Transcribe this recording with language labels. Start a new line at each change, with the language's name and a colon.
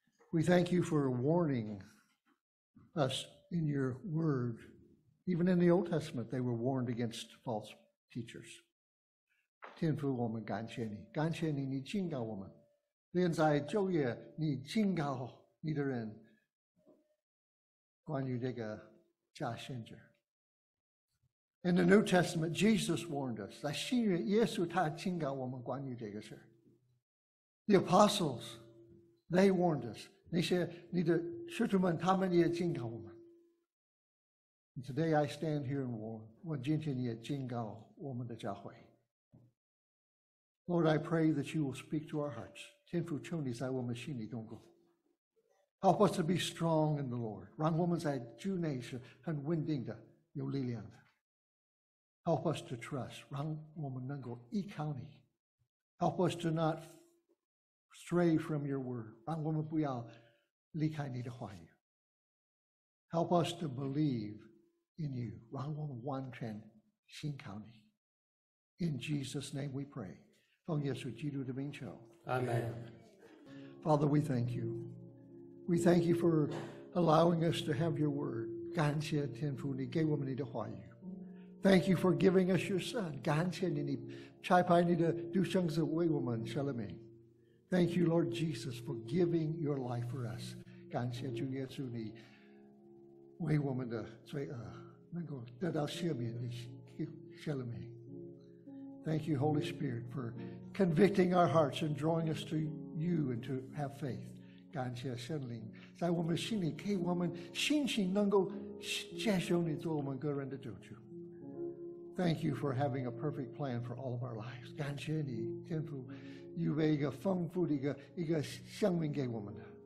English: We thank you for warning us in your word. Even in the Old Testament, they were warned against false teachers.
Chinese: 天父，我们感谢你，感谢你，你警告我们。连在旧约，你警告你的人，关于这个假先知。
English: In the New Testament, Jesus warned us.
Chinese: 在新约，耶稣他警告我们关于这个事。
English: The apostles, they warned us.
Chinese: 那些你的使徒们，他们也警告我们。
English: And today I stand here and warn.
Chinese: 我今天也警告我们的教会。
English: Lord, I pray that you will speak to our hearts.
Chinese: 天父，求你在我们心里动工。
English: Help us to be strong in the Lord.
Chinese: 让我们在主内是很稳定的，有力量的。
English: Help us to trust.
Chinese: 让我们能够依靠你。
English: Help us to not stray from your word.
Chinese: 让我们不要离开你的话语。
English: Help us to believe in you.
Chinese: 让我们完全信靠你。
English: In Jesus' name we pray.
Chinese: 奉耶稣基督的名求。
English: Amen. Father, we thank you. We thank you for allowing us to have your word.
Chinese: 感谢天父你给我们你的话语。
English: Thank you for giving us your son.
Chinese: 感谢你你差派你的独生子为我们舍了命。
English: Thank you, Lord Jesus, for giving your life for us.
Chinese: 感谢主耶稣你为我们的罪恶能够得到赦免你舍了命。
English: Thank you, Holy Spirit, for convicting our hearts and drawing us to you and to have faith.
Chinese: 感谢圣灵，在我们心里给我们信心，能够接受你做我们个人的救主。
English: Thank you for having a perfect plan for all of our lives.
Chinese: 感谢你，天父，预备一个丰富的一个生命给我们的。